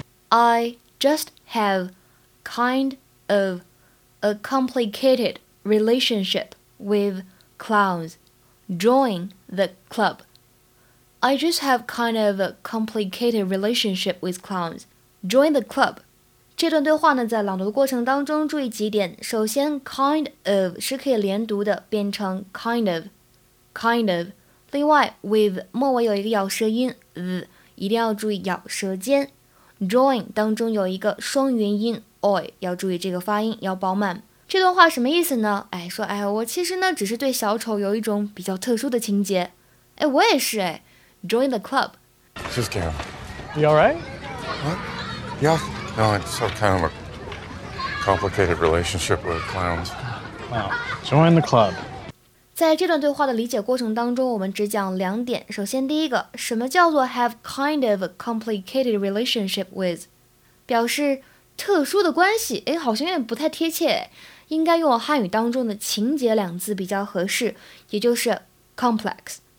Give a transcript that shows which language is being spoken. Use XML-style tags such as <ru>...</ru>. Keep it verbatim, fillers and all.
<en>I just have kind of a complicated relationship with clowns. Join the club. I just have kind of a complicated relationship with clowns. Join the club.</en> <zh>这段对话呢，在朗读的过程当中注意几点。首先 kind of 是可以连读的，变成 kind of kind of。另外 with 末尾有一个咬舌音 the， 一定要注意咬舌尖。 join 当中有一个双元音 oi， 要注意这个发音要饱满。这段话什么意思呢？哎，说哎我其实呢只是对小丑有一种比较特殊的情节。哎，我也是。</zh> <en>哎 join the club. Just kidding. You alright? What? Yeah. No, it's so kind of a complicated relationship with clowns. Wow. Join the club.</en> <zh>在这段对话的理解过程当中，我们只讲两点。首先，第一个，什么叫做</zh> <en>have kind of a complicated relationship with，</en> <zh>表示特殊的关系。哎，好像有点不太贴切，应该用汉语当中的情节两字比较合适，也就是 complex.</zh>